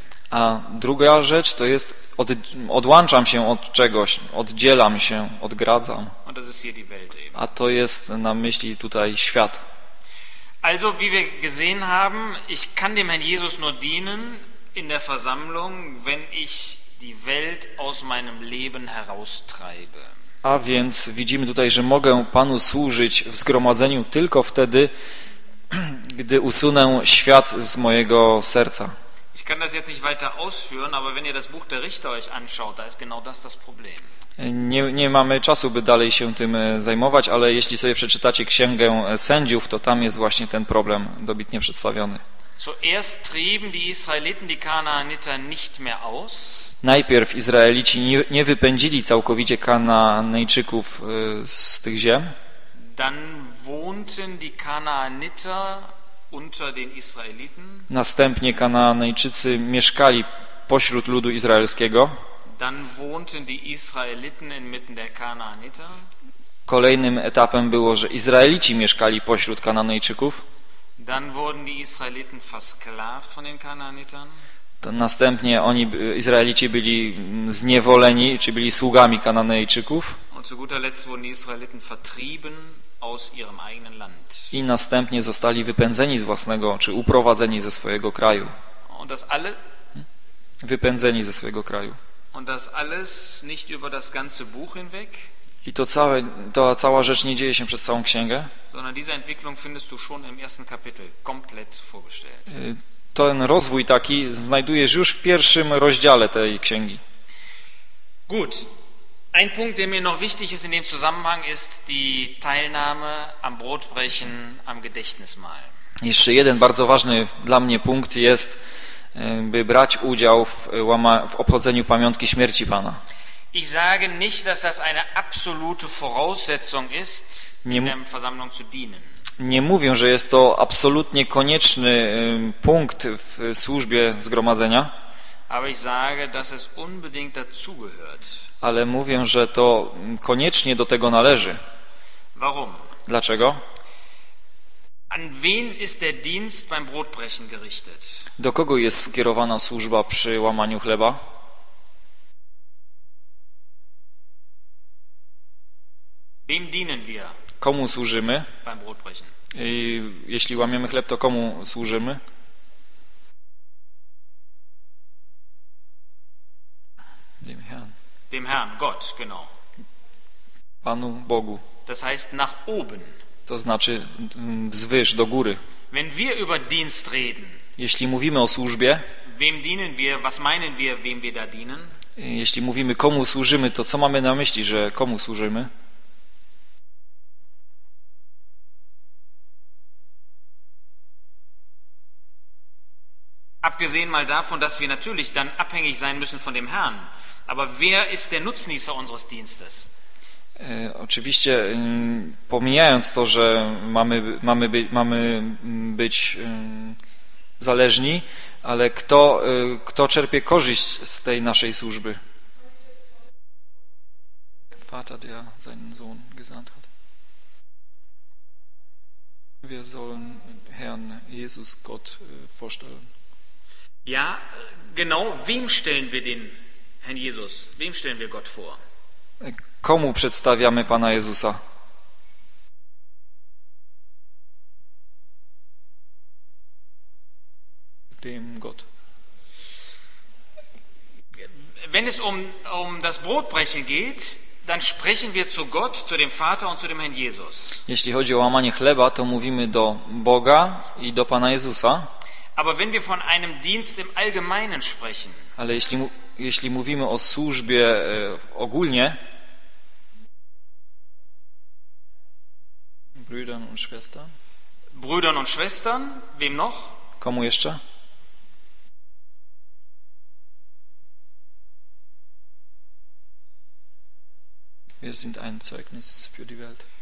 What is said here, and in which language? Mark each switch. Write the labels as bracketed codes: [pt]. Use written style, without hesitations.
[pl] A druga rzecz to jest, odłączam się od czegoś, oddzielam się, odgradzam. A to jest na myśli tutaj świat. [de] Also, wie wir gesehen haben, ich kann dem Herrn Jesus nur dienen in der Versammlung, wenn ich die Welt aus meinem Leben heraustreibe. [pl] A więc widzimy tutaj, że mogę Panu służyć w zgromadzeniu tylko wtedy, gdy usunę świat z mojego serca. [de] Ich kann das jetzt nicht weiter ausführen, aber wenn ihr das Buch der Richter euch anschaut, da ist genau das Problem. [pl] Nie mamy czasu, by dalej się tym zajmować, ale jeśli sobie przeczytacie Księgę Sędziów, to tam jest właśnie ten problem dobitnie przedstawiony. [de] Zuerst trieben die Israeliten die Kanaaniter nicht mehr aus. [pl] Najpierw Izraelici nie wypędzili całkowicie Kanaanejczyków z tych ziem. [de] Dann wohnten die Kanaaniter unter den Israeliten. [pl] Następnie Kanaanejczycy mieszkali pośród ludu izraelskiego. [de] Dann wohnten die Israeliten inmitten der Kanaaniter. [pl] Kolejnym etapem było, że Izraelici mieszkali pośród Kanaanejczyków. [de] Dann wurden die Israeliten versklavt von den Kanaanitern. [pl] Następnie oni, Izraelici, byli zniewoleni, czy byli sługami Kanaanejczyków. [de] Und zu guter Letzt wurden die Israeliten vertrieben aus ihrem eigenen Land. [pl] I następnie zostali wypędzeni z własnego, czy uprowadzeni ze swojego kraju. [de] Und das alle [pl] wypędzeni ze swojego kraju. [de] Und das alles nicht über das ganze Buch hinweg? [pl] I to całe, ta cała rzecz nie dzieje się przez całą księgę. [de] Sondern diese Entwicklung findest du schon im ersten Kapitel komplett vorgestellt. [pl] Ten rozwój taki znajdujesz już w pierwszym rozdziale tej księgi. [de] Gut. Ein Punkt, der mir noch wichtig ist in dem Zusammenhang, ist die Teilnahme am Brotbrechen, am Gedächtnismahl. [pl] Jeszcze jeden bardzo ważny dla mnie punkt jest, by brać udział w obchodzeniu pamiątki śmierci Pana. [de] Ich sage nicht, dass das eine absolute Voraussetzung ist, in der Versammlung zu dienen. [pl] Nie mówię, że jest to absolutnie konieczny punkt w służbie zgromadzenia. [de] Aber ich sage, dass es unbedingt dazugehört. [pl] Ale mówię, że to koniecznie do tego należy. [de] Warum? [pl] Dlaczego? [de] An wen ist der Dienst beim Brotbrechen gerichtet? [pl] Do kogo jest skierowana służba przy łamaniu chleba? [de] Wem dienen wir? [pl] Komu służymy? [de] Beim Brotbrechen. [pl] I jeśli łamiemy chleb, to komu służymy? [de] Dem Herrn. Dem Herrn, Gott, genau. [pl] Panu Bogu. [de] Das heißt nach oben. [pl] To znaczy wzwyż, do góry. [de] Wenn wir über Dienst reden, [pl] jeśli mówimy o służbie, [de] wem dienen wir, was meinen wir, wem wir da dienen? [pl] Jeśli mówimy, komu służymy, to co mamy na myśli, że komu służymy? [de] Abgesehen mal davon, dass wir natürlich dann abhängig sein müssen von dem Herrn. Aber wer ist der Nutznießer unseres Dienstes? [pl] Oczywiście pomijając to, że mamy być zależni, ale kto czerpie korzyść z tej naszej służby? [de] Vater, der seinen Sohn gesandt hat. Wir sollen Herrn Jesus Gott vorstellen. Ja, genau, wem stellen wir den Herrn Jesus? Wem stellen wir Gott vor? [pl] Komu przedstawiamy Pana Jezusa? [de] Dem Gott. Wenn es um das Brotbrechen geht, dann sprechen wir zu Gott, zu dem Vater und zu dem Herrn Jesus. [pl] Jeśli chodzi o łamanie chleba, to mówimy do Boga i do Pana Jezusa. [de] Aber wenn wir von einem Dienst im Allgemeinen sprechen. [pl] Ale jeśli mówimy o służbie ogólnie. [de] Brüdern und Schwestern. Brüdern und Schwestern, wem noch? [pl] Komu jeszcze? [de] Wir sind ein Zeugnis für die Welt.